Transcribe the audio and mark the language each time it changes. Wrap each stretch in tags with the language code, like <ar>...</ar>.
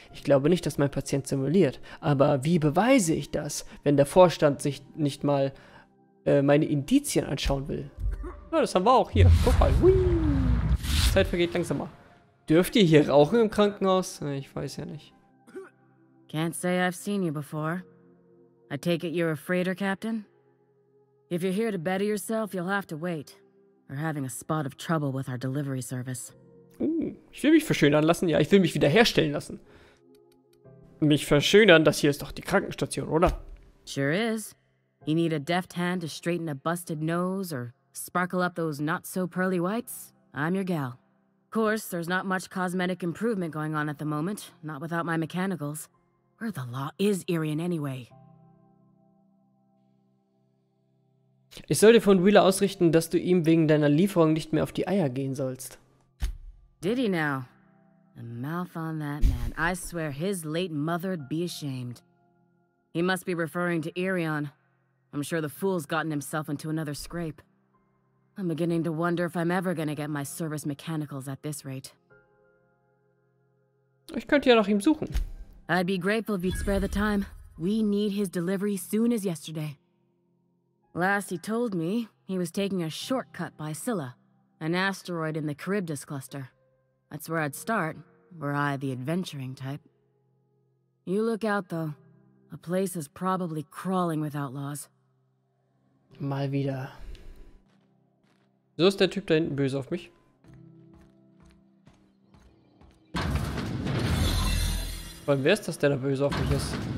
<de>Ich glaube nicht, dass mein Patient simuliert. Aber wie beweise ich das, wenn der Vorstand sich nicht mal meine Indizien anschauen will? Ja, das haben wir auch hier. Guck mal. Hui. Zeit vergeht langsamer. Dürft ihr hier rauchen im Krankenhaus? Ich weiß ja nicht.</de> <en>Can't say I've seen you before. I take it you're a freighter captain? If you're here to better yourself, you'll have to wait. We're having a spot of trouble with our delivery service.</en> <de>Ich will mich verschönern lassen. Ja, ich will mich wiederherstellen lassen. Mich verschönern, das hier ist doch die Krankenstation, oder?</de> <en>Sure is. You need a deft hand to straighten a busted nose or sparkle up those not so pearly whites? I'm your gal. Of course, there's not much cosmetic improvement going on at the moment. Not without my mechanicals. Where the law is Irion anyway?</en> <de>Ich soll dir von Wheeler ausrichten, dass du ihm wegen deiner Lieferung nicht mehr auf die Eier gehen sollst.</de> <en>Did he now? The mouth on that man. I swear his late mother'd be ashamed. He must be referring to Irion. I'm sure the fool's gotten himself into another scrape. I'm beginning to wonder if I'm ever gonna get my service mechanicals at this rate.</en> <de>Ich könnte ja nach ihm suchen.</de> <en>I'd be grateful if you'd spare the time. We need his delivery soon as yesterday. Last he told me, he was taking a shortcut by Scylla, an asteroid in the Charybdis cluster. That's where I'd start, were I the adventuring type. You look out, though. A place is probably crawling with outlaws.</en> <de>Mal wieder. So ist der Typ da hinten böse auf mich. Und wer ist das, der da böse auf mich ist?</de>